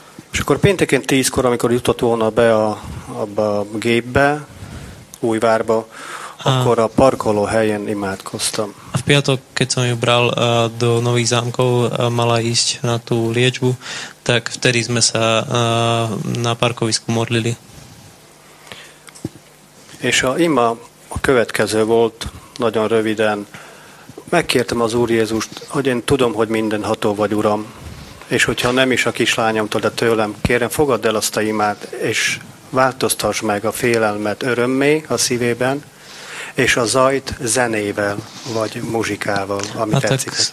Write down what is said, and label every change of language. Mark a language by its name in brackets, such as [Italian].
[Hungarian] És akkor pénteken 10-kor, amikor jutott volna be a gépbe, Újvárba, akkor a parkoló helyen imádkoztam. [Slovak] A v piatok, keď som ju bral do Nových Zámkov, mala ísť na tú liečbu, tak vtedy sme sa na parkovisku modlili. [Hungarian] És a ima a következő volt, nagyon röviden. Megkértem az Úr Jézust, hogy én tudom, hogy mindenható vagy, Uram. És hogyha nem is a kislányomtól, de tőlem, kérem, fogadd el azt a imát, és változtass meg a félelmet örömmé a szívében, és a zajt zenével, vagy muzsikával, ami tetszik.